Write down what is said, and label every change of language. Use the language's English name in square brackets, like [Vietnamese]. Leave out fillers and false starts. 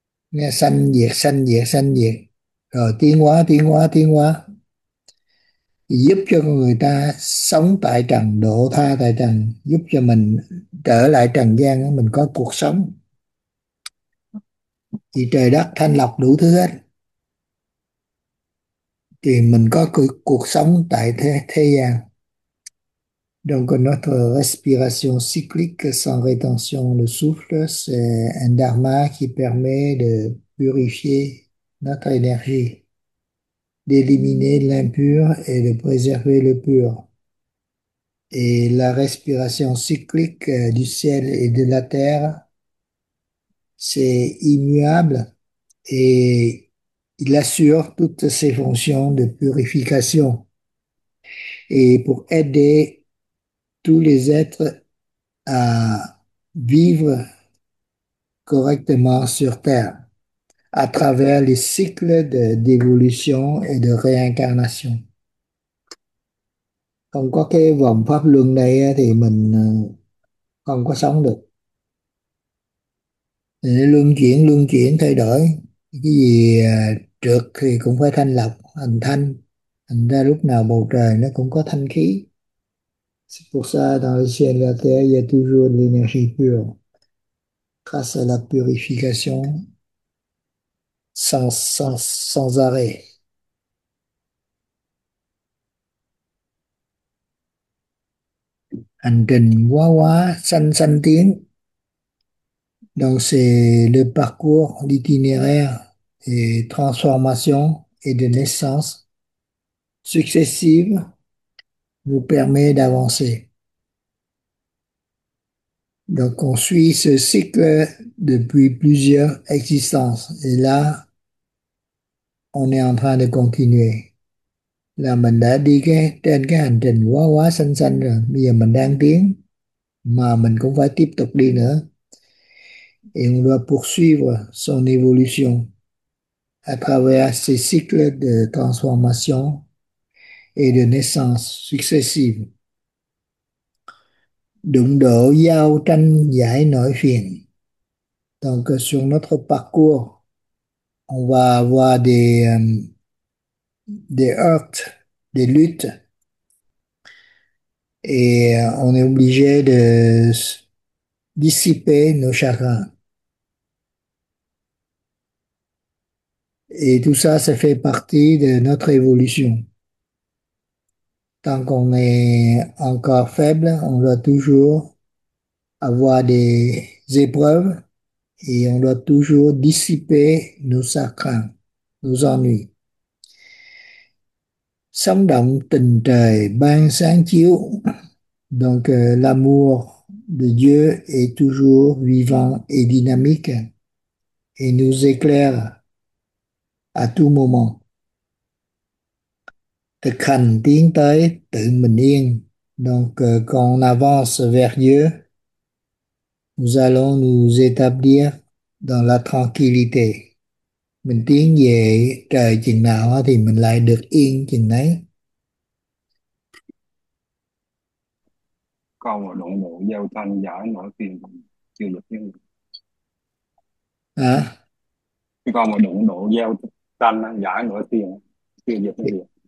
[Vietnamese] Nghe xanh diệt, xanh diệt, xanh diệt rồi tiến hóa, tiến hóa, tiến hóa, giúp cho người ta sống tại trần, độ tha tại trần, giúp cho mình trở lại trần gian, mình có cuộc sống. Thì trời đất thanh lọc đủ thứ hết thì mình có cuộc sống tại thế gian. [French] Donc, notre respiration cyclique sans rétention de souffle, c'est un dharma qui permet de purifier notre énergie, d'éliminer l'impur et de préserver le pur. Et la respiration cyclique du ciel et de la terre, c'est immuable et il assure toutes ses fonctions de purification. Et pour aider tous les êtres à vivre correctement sur Terre à travers les cycles d'évolution et de réincarnation. [Vietnamese] Không có cái vòng pháp luân này thì mình không có sống được. Luân chuyển thay đổi. Cái gì trược thì cũng phải thanh lọc, hành thanh. Thành ra lúc nào bầu trời nó cũng có thanh khí. [French] C'est pour ça, dans le ciel et la terre, il y a toujours de l'énergie pure. Grâce à la purification, sans arrêt. [Vietnamese] Hành trình quá quá, sanh sanh tiến. [French] Donc, c'est le parcours, l'itinéraire et transformation et de naissance successives vous permet d'avancer. Donc on suit ce cycle depuis plusieurs existences et là on est en train de continuer. [Vietnamese] Là mình đã đi cái trên cái hành trình quá quá xanh xanh rồi, bây giờ mình đang tiến mà mình cũng phải tiếp tục đi nữa. [French] Et on doit poursuivre son évolution à travers ces cycles de transformation et de naissances successives. [Vietnamese] Đụng độ giao tranh giải nỗi phiền. [French] Donc sur notre parcours, on va avoir des heurts, des luttes, et on est obligé de dissiper nos chagrins. Et tout ça fait partie de notre évolution. Tant qu'on est encore faible, on doit toujours avoir des épreuves et on doit toujours dissiper nos chagrins, nos ennuis. [Vietnamese] Sống động tình trời ban sáng chiếu. [French] Donc l'amour de Dieu est toujours vivant et dynamique et nous éclaire à tout moment. [Vietnamese] Thực hành tiến tới tự mình yên. [French] Donc, quand on avance vers Dieu, nous allons nous établir dans la tranquillité. [Vietnamese] Mình tiến về trời chừng nào thì mình lại được yên chừng đấy. Câu mà đụng độ giao tranh giải nỗi phiền chưa được chứ. Hả? Cái câu mà đụng độ giao tranh giải nỗi phiền chưa được cái gì.